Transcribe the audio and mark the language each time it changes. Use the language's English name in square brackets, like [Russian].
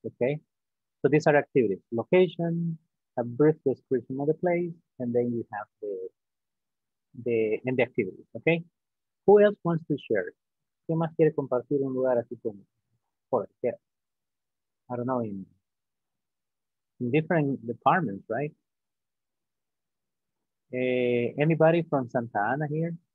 [English] Okay, so these are activities: location, a brief description of the place, and then you have the activities. Okay, who else wants to share? [Spanish] ¿Quién más quiere compartir un lugar así como forest? [English] Yeah. I don't know, in different departments, right? Anybody from Santa Ana here?